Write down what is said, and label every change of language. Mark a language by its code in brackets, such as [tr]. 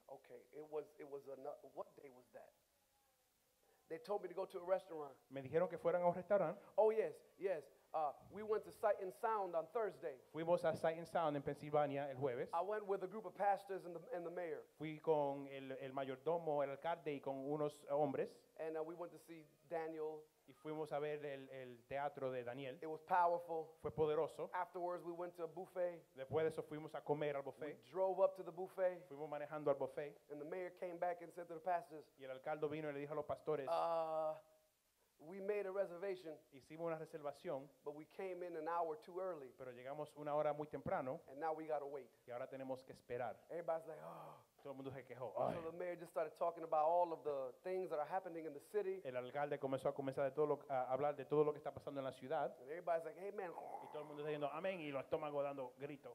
[en] Okay, it was another, what day was that? They told me to go to a restaurant. [es] Me dijeron que fueran a un restaurante. [en] Oh, yes. We went to Sight and Sound on Thursday. [es] Fuimos a Sight and Sound en Pensilvania el jueves. [en] I went with a group of pastors and the mayor. [es] Fui con el mayordomo, el alcalde y con unos hombres. [en] And we went to see Daniel. [es] Y fuimos a ver el teatro de Daniel. [en] It was powerful. [es] Fue poderoso. [en] Afterwards we went to a buffet. [es] Después de eso fuimos a comer al buffet. [en] We drove up to the buffet. [es] Fuimos manejando al buffet. [en] And the mayor came back and said to the pastors. [es] Y el alcalde vino y le dijo a los pastores. [en] We made a reservation. [es] Hicimos una reservación. [en] But we came in an hour too early. [es] Pero llegamos una hora muy temprano. [en] And now we gotta wait. [es] Y ahora tenemos que esperar. [en] Everybody's like, oh. [es] Todo el mundo se quejó. [en] So the mayor just started talking about all of the things that are happening in the city. [es] El alcalde comenzó a comenzar a hablar de todo lo que está pasando en la ciudad. [en] And everybody's like, amen. [es] Y todo el mundo está diciendo, amén, y los estómagos dando gritos.